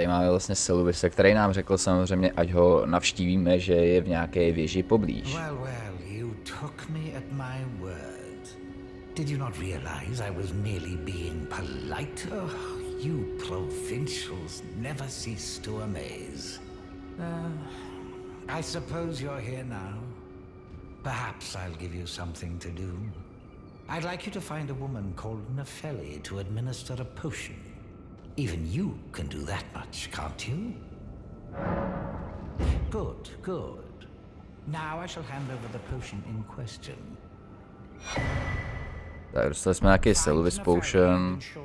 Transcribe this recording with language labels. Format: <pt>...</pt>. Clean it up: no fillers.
<cs>Vlastně Seluvise, který nám řekl samozřejmě, ať ho navštívíme, že je v nějaké věži poblíž.</cs> <en>Well, well, you took me at my word. Did you not realize I was merely being polite? Oh, you provincials never cease to amaze. I suppose you're here now. Perhaps I'll give you something to do. I'd like you to find a woman called Nefeli to administer a potion. Even you can do that much, can't you? Good, good. Now I shall hand over the potion in question.</en> <cs>Tak dostali jsme nějaký Seluvis potion.</cs>